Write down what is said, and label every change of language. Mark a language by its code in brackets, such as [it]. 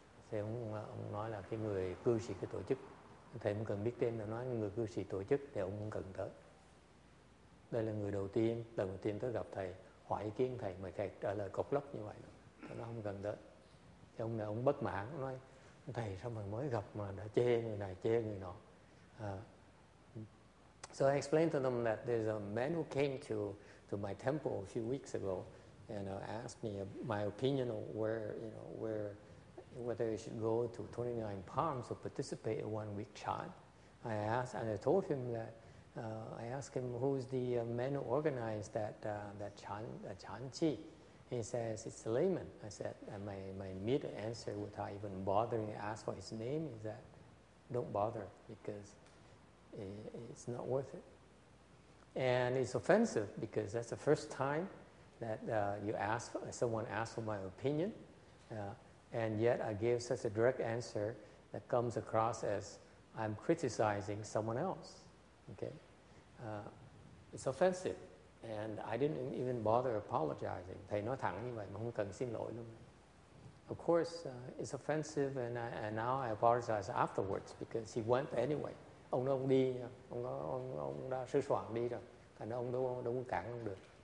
[vi] Thì ông nói là cái người cư sĩ cái tổ chức. Thầy không cần biết tên, là nói người cư sĩ tổ chức thì ông không cần tới. Đây là người đầu tiên, lần đầu tiên tới gặp thầy, hỏi ý kiến thầy, mời thầy trả lời cộc lốc như vậy. Thầy nói không cần tới. Thì ông này ông bất mãn, ông nói thầy sao mà mới gặp mà đã chê người này, chê người nọ. [en] So I explained to them that there's a man who came to my temple a few weeks ago and asked me my opinion of whether he should go to 29 palms or participate in 1 week chant. I asked and I told him that I asked him who's the man who organized that chan chi. He says it's a layman. I said and my immediate answer without even bothering to ask for his name is that don't bother because it's not worth it. And it's offensive because that's the first time that someone asked for my opinion. And yet I gave such a direct answer that comes across as I'm criticizing someone else. Okay, it's offensive. And I didn't even bother apologizing. [vi] Thầy nói thẳng như vậy mà không cần xin lỗi luôn. [en] Of course, it's offensive and now I apologize afterwards because he went anyway. [vi] Ông đó ông đi, ông đã sơ soạn đi rồi. Thành ra ông đâu có cản ông được.